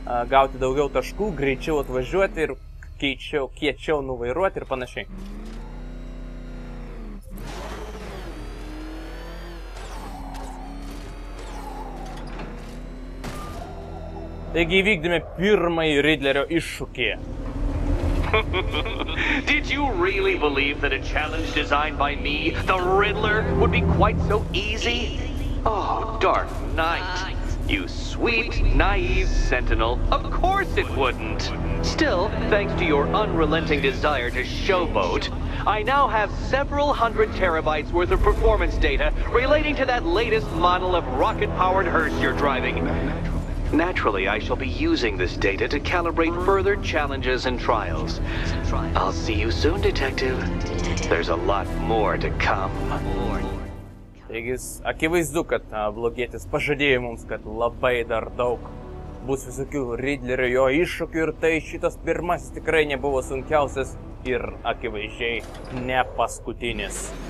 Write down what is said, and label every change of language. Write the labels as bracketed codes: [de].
[lt] Gauti daugiau taškų, greičiau atvažiuoti ir kiečiau nuvairuoti ir panašiai. Taigi įvykdėme pirmąjį Riddlerio iššūkį. [en] Did you really believe that a challenge designed by me, the Riddler, would be quite so easy? Oh, Dark Knight. You sweet, naive sentinel. Of course it wouldn't. Still, thanks to your unrelenting desire to showboat, I now have several hundred terabytes worth of performance data relating to that latest model of rocket-powered hearse you're driving. Naturally, I shall be using this data to calibrate further challenges and trials. I'll see you soon, detective. There's a lot more to come. [lt] Taigi, akivaizdu, kad blogietis pažadėjo mums, kad labai dar daug bus visokių Riddlerio jo iššūkių ir tai šitas pirmasis tikrai nebuvo sunkiausias ir akivaizdžiai ne paskutinis.